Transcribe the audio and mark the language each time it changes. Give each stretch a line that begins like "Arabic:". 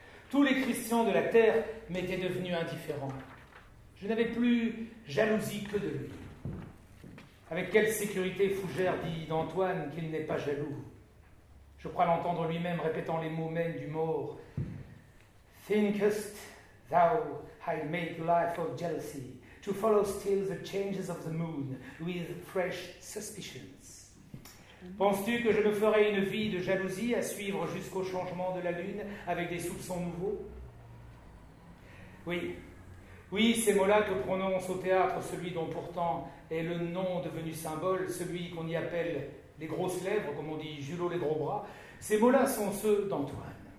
French: Tous les Christians de la terre m'étaient devenus indifférents. Je n'avais plus jalousie que de lui. Avec quelle sécurité Fougère dit d'Antoine qu'il n'est pas jaloux. Je crois l'entendre lui-même répétant les mots mêmes du mort.
English: Thinkest thou I make life of jealousy to follow still the changes of the moon with fresh suspicions.
French: Penses-tu que je me ferai une vie de jalousie à suivre jusqu'au changement de la lune avec des soupçons nouveaux? Oui. Oui, ces mots-là que prononce au théâtre celui dont pourtant est le nom devenu symbole, celui qu'on y appelle les grosses lèvres, comme on dit Julot les gros bras, ces mots-là sont ceux d'Antoine.